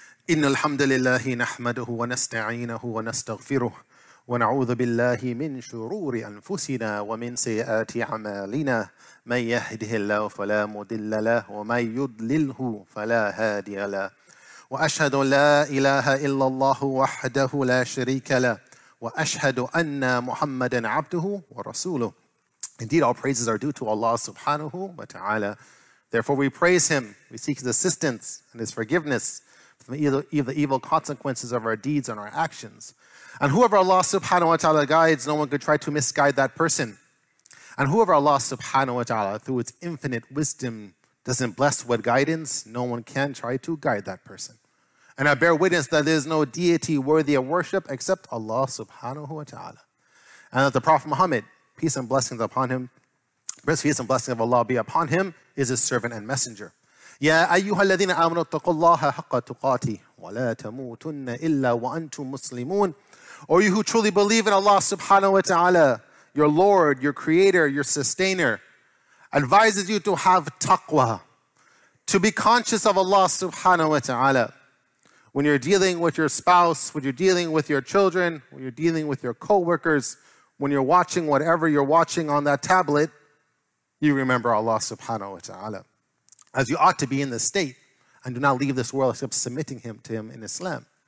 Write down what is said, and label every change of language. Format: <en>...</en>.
<ar>إن الحمد لله نحمده ونستعينه ونستغفره ونعوذ بالله من شرور أنفسنا ومن سيئات أعمالنا، من يهده الله فلا مضل له ومن يضلله فلا هادي له، وأشهد لا إله إلا الله وحده لا شريك له وأشهد أن محمدا عبده ورسوله.</ar> <en>Indeed, all praises are due to Allah subhanahu wa ta'ala. Therefore we praise him, we seek his assistance and his forgiveness from the evil consequences of our deeds and our actions. And whoever Allah subhanahu wa ta'ala guides, no one could try to misguide that person. And whoever Allah subhanahu wa ta'ala, through its infinite wisdom, doesn't bless with guidance, no one can try to guide that person. And I bear witness that there is no deity worthy of worship except Allah subhanahu wa ta'ala. And that the Prophet Muhammad, peace and blessings upon him, peace and blessings of Allah be upon him, is his servant and messenger.</en> <ar>يا أيها الذين آمنوا اتقوا الله حق تقاته ولا تموتن إلا وأنتم مسلمون.</ar> <en>Or you who truly believe in Allah subhanahu wa ta'ala, your Lord, your Creator, your Sustainer, advises you to have taqwa, to be conscious of Allah subhanahu wa ta'ala. When you're dealing with your spouse, when you're dealing with your children, when you're dealing with your co-workers, when you're watching whatever you're watching on that tablet, you remember Allah subhanahu wa ta'ala, as you ought to be in this state, and do not leave this world except submitting him to him in Islam.</en>